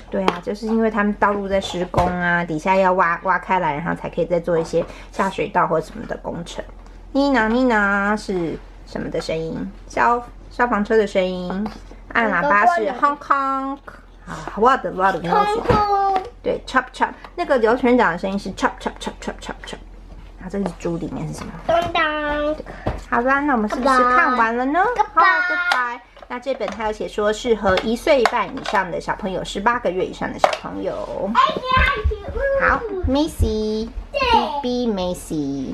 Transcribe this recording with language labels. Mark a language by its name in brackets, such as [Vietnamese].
[Chinese] 对啊，就是因为他们道路在施工啊，底下要挖开来，然后才可以再做一些下水道或什么的工程。 Nina 是什么的声音？消防车的声音。按喇叭是 Hong Kong。 [English] 啊 ，what a lot of noise！ [Chinese] 对 ，chop chop， 那个摇拳掌的声音是 chop chop chop chop chop chop。然后这是猪里面是什么？当当。好啦，那我们是不是看完了呢？ [English] Goodbye。 [Chinese] 那这本它有写说适合一岁半以上的小朋友，十八个月以上的小朋友。好 ，Macy，BB Macy。